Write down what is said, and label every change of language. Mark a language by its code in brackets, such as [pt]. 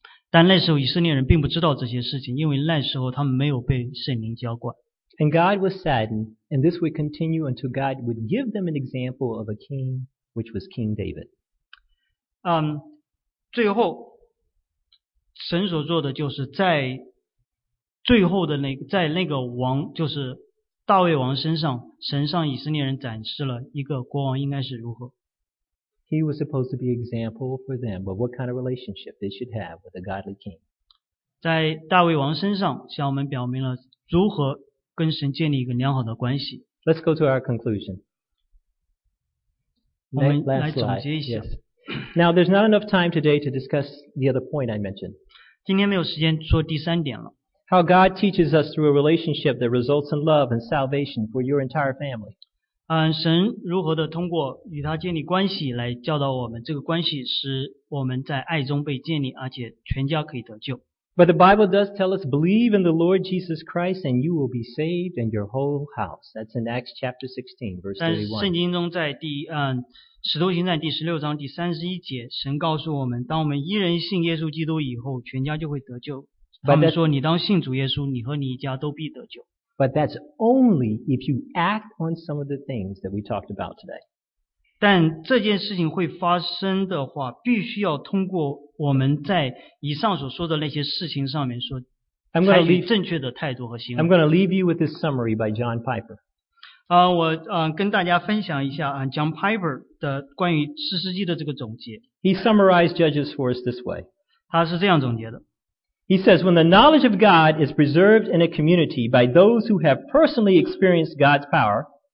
[zh] 但那时候以色列人并不知道这些事情，因为那时候他们没有被圣灵浇灌。 [en] And God was saddened, and this would continue until God would give them an example of a king, which was King David. [zh] 最后神所做的就是在最后的在那个王，就是大卫王身上，神向以色列人展示了一个国王应该是如何。 [en] He was supposed to be example for them of what kind of relationship they should have with a godly king. [zh] 在大卫王身上向我们表明了如何跟神建立一个良好的关系。 [en] Let's go to our conclusion. [zh] 我们来总结一下。 [en] Yes. Now there's not enough time today to discuss the other point I mentioned. [zh] 今天没有时间说第三点了。 [en] How God teaches us through a relationship that results in love and salvation for your entire family. [zh] 神如何的通过与他建立关系来教导我们，这个关系使我们在爱中被建立，而且全家可以得救。 [en] But the Bible does tell us, believe in the Lord Jesus Christ and you will be saved and your whole house. That's in Acts chapter 16, verse 31. [zh] 但圣经中在使徒行传第16章第31节，神告诉我们，当我们一人信耶稣基督以后，全家就会得救。他们说，你当信主耶稣，你和你一家都必得救。 [en] But that's only if you act on some of the things that we talked about today. [zh] 但这件事情会发生的话，必须要通过我们在以上所说的那些事情上面说，采取正确的态度和行为。 [en] I'm going to leave you with this summary by John Piper. [zh] 跟大家分享一下John Piper 的关于四世纪的这个总结。 [en] He summarized Judges for us this way. [zh] 他是这样总结的。 [en] He says, when the knowledge of God is preserved in a community by those who have personally experienced God's power,